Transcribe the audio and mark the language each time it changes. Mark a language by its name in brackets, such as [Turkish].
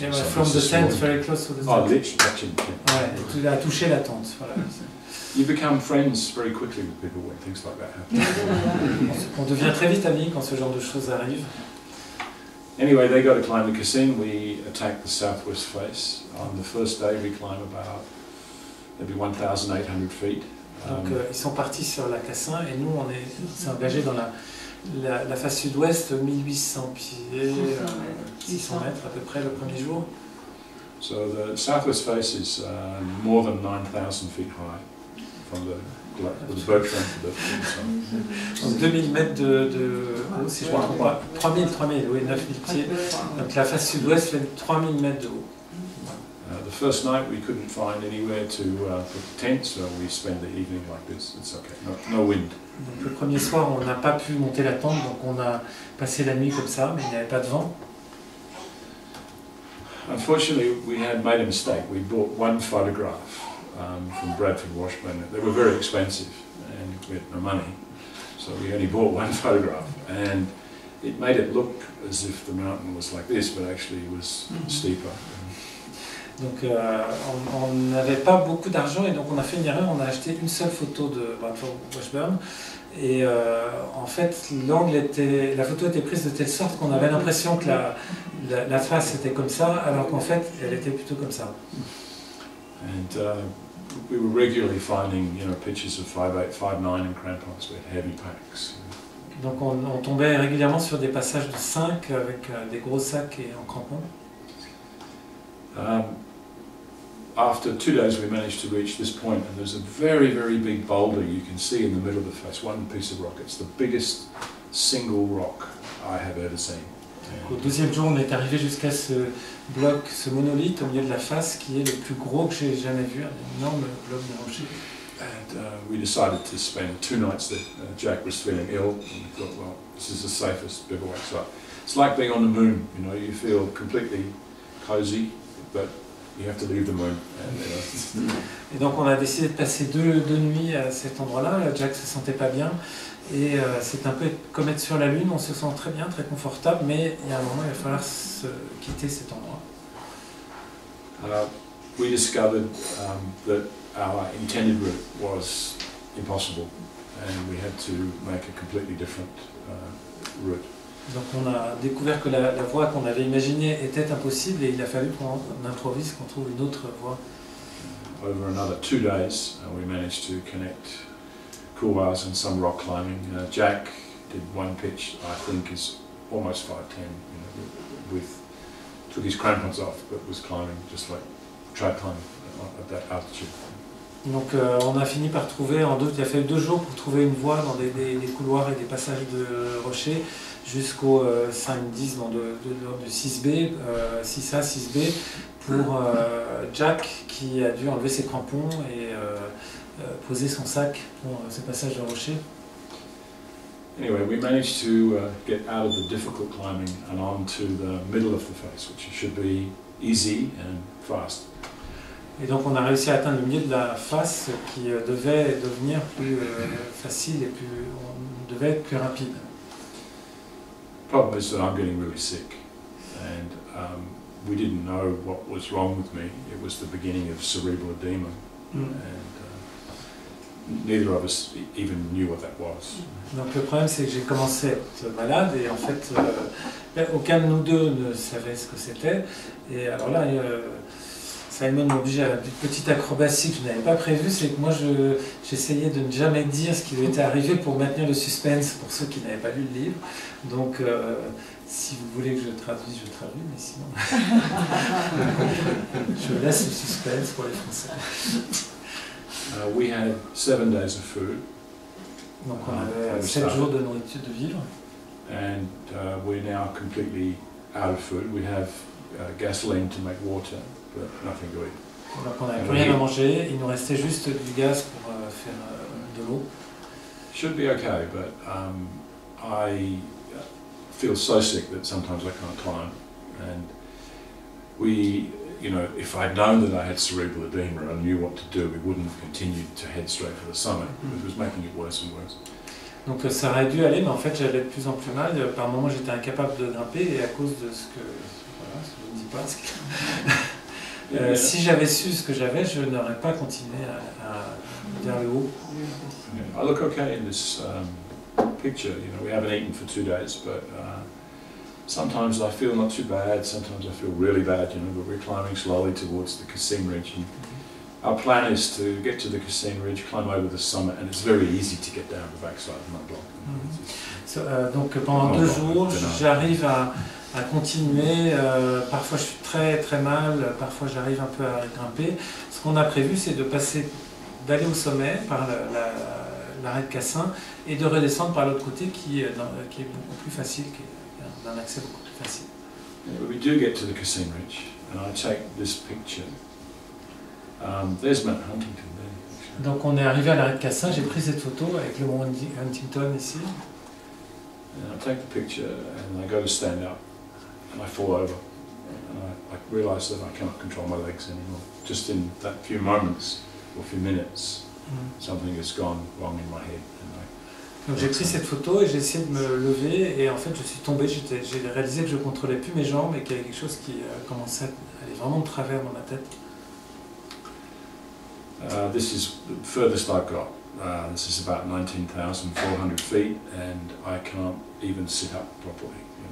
[English] Yeah, well, from the tent, very close to the tent. Oh, touching. Yeah. [French] Ouais, a touché la tente. Voilà. [English] You become friends very quickly with people when things like that happen. [French] On devient très vite amis quand ce genre de choses arrive. [English] Anyway, they got to climb the Cassin. We attacked the southwest face. On the first day, we climb about maybe 1,800 feet. [French] Donc ils sont partis sur la Cassin et nous on s'est engagé dans la face sud-ouest, 1800 pieds, 600 mètres à peu près le premier jour. [English] So the southwest face is more than 9,000 feet high from the Bergfront to the summit. [French] Donc 2000 mètres de haut, si je me trompe pas. 3000, oui, 9000 pieds. Donc la face sud-ouest fait 3000 mètres de haut. [English] The first night we couldn't find anywhere to put the tent, so we spend the evening like this. It's okay. No wind. [French] Donc, le premier soir, on n'a pas pu monter la tente, donc on a passé la nuit comme ça, mais il n'y avait pas de vent. [English] Unfortunately, we had made a mistake. We bought one photograph from Bradford Washburn. They were very expensive, and we had no money, so we only bought one photograph. And it made it look as if the mountain was like this, but actually it was steeper. [French] Donc on n'avait pas beaucoup d'argent et donc on a fait une erreur, on a acheté une seule photo de Bradford Washburn Et en fait, l'angle était, la photo était prise de telle sorte qu'on avait l'impression que la face était comme ça, alors qu'en fait, elle était plutôt comme ça. [English] And we were regularly finding, you know, pictures of 5'8", 5'9" and crampons with heavy packs. [French] Donc on tombait régulièrement sur des passages de 5 avec des gros sacs et en crampons. [English] After 2 days, we managed to reach this point, and there's a very, very big boulder you can see in the middle of the face, one piece of rock. It's the biggest single rock I have ever seen. [French] Au deuxième jour, on est arrivé jusqu'à ce bloc, ce monolithe au milieu de la face, qui est le plus gros que j'ai jamais vu, un énorme bloc de rocher. [English] And we decided to spend 2 nights there. Jack was feeling ill, and we thought, well, this is the safest bivouac site. It's like being on the moon, you know, you feel completely cozy, but you have to leave the moon. [French] Et donc on a décidé de passer deux nuits à cet endroit-là. Jack se sentait pas bien et c'est un peu comme être sur la lune. On se sent très bien, très confortable, mais il y a un moment, il va falloir quitter cet endroit. [English] We discovered that our intended route was impossible, and we had to make a completely different route. [French] Donc on a découvert que la voie qu'on avait imaginée était impossible et il a fallu qu'on improvise, qu'on trouve une autre voie. [English] Over another 2 days, we managed to connect couloirs and some rock climbing. Jack did one pitch, I think, is almost 5'10", you know, took his crampons off, but was climbing just like tried climbing at that altitude. [French] Donc on a fini par trouver, il a fallu 2 jours pour trouver une voie dans des couloirs et des passages de rochers. Jusqu'au 5-10, de 6B, 6A, 6B, pour Jack, qui a dû enlever ses crampons et poser son sac pour ce passage de rocher. [English] Anyway, we managed to get out of the difficult climbing and on to the middle of the face, which should be easy and fast. [French] Et donc on a réussi à atteindre le milieu de la face, qui devait devenir plus facile et plus, on devait être plus rapide. [English] The problem is that I'm getting really sick, and we didn't know what was wrong with me. It was the beginning of cerebral edema, and neither of us even knew what that was. [French] Donc le problème c'est que j'ai commencé à être malade et en fait aucun de nous deux ne savait ce que c'était. Et alors là, Simon m'a obligé à une petite acrobatie que je n'avais pas prévue, c'est que moi j'essayais de ne jamais dire ce qui lui était arrivé pour maintenir le suspense pour ceux qui n'avaient pas lu le livre. Donc si vous voulez que je traduise, je traduis, mais sinon je laisse le suspense pour les Français. [English] We had 7 days of food. [French] Donc on avait 7 jours de nourriture de vivre. [English] And we're now completely out of food. We have gasoline to make water. Nothing to eat. [French] Donc on n'avait plus rien à manger, il nous restait juste du gaz pour faire de l'eau. [English] Should be okay, but I feel so sick that sometimes I can't climb. And we, you know, if I'd known that I had cerebral edema and knew what to do, we wouldn't have continued to head straight for the summit. It was making it worse and worse. [French] Donc ça aurait dû aller, mais en fait j'allais de plus en plus mal. Par moments j'étais incapable de grimper et à cause de ce que voilà, ce que je ne dis pas. Si j'avais su ce que j'avais, je n'aurais pas continué à vers le haut. [English] Yeah, I look okay in this picture. You know, we haven't eaten for 2 days, but sometimes I feel not too bad. Sometimes I feel really bad. You know, but we're climbing slowly towards the Cassim Ridge. And our plan is to get to the Cassim Ridge, climb over the summit, and it's very easy to get down the backside of Mont Blanc. Mm-hmm. [French] Donc pendant 2 jours, j'arrive à continuer, parfois je suis très très mal, parfois j'arrive un peu à grimper. Ce qu'on a prévu, c'est d'aller au sommet par l'arrêt de Cassin et de redescendre par l'autre côté qui est beaucoup plus facile, qui est un accès beaucoup plus facile. [English] Yeah, we do get to the Cassin Ridge, and I take this picture. There's Mount Huntington there. [French] Donc on est arrivé à l'arrêt de Cassin, j'ai pris cette photo avec le Mont Huntington ici. [English] And I take the picture and I go to stand up and I fall over. And I realize that I cannot control my legs anymore. Just in that few moments or few minutes, something has gone wrong in my head. And [French] donc j'ai pris cette photo et j'ai essayé de me lever et en fait je suis tombé. J'ai réalisé que je ne contrôlais plus mes jambes et qu'il y avait quelque chose qui commençait à aller vraiment de travers dans ma tête. [English] This is the furthest I've got. This is about 19,400 feet, and I can't even sit up properly.